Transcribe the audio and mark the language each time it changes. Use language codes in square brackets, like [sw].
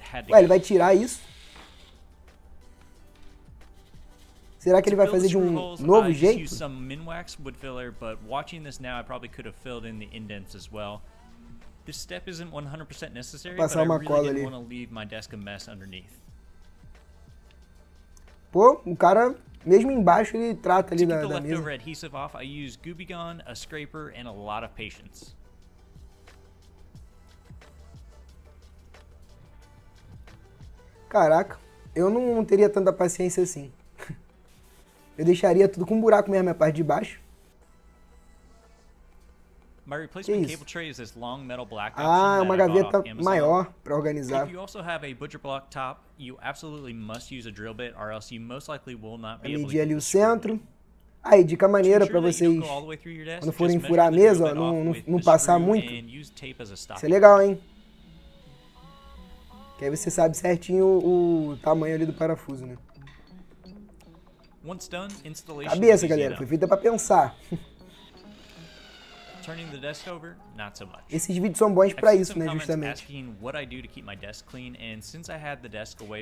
[pt] Ué, ele vai tirar isso? Será que ele vai fazer de um novo jeito? [en] Minwax wood filler, but watching this now I probably could have filled in the indents as well. This step isn't 100% necessary, but I really didn't want to leave my desk a mess underneath. [pt] Pô, o cara mesmo embaixo ele trata ali da mesa. [en] To get the leftover adhesive off, I use Gooby Gone, a scraper and a lot of patience. [pt] Caraca, eu não teria tanta paciência assim. Eu deixaria tudo com um buraco mesmo, a parte de baixo. [en] My replacement cable tray is this long metal black. [pt] Ah, é uma gaveta maior para organizar. [en] If you also have a butcher block top, you absolutely must use a drill bit or else you most likely will not be able to. [pt] Medir ali o centro. Aí, dica maneira para vocês quando forem furar a mesa, não passar muito. Isso é legal, hein? Que aí você sabe certinho o tamanho ali do parafuso, né? [en] Once done, installation. [pt] Cabeça, galera, foi feita pra pensar. [en] Turning the desk over, not so much. [pt] Esses vídeos são bons pra isso, né, justamente. [en] What I do to keep my desk clean, and since I had the desk away.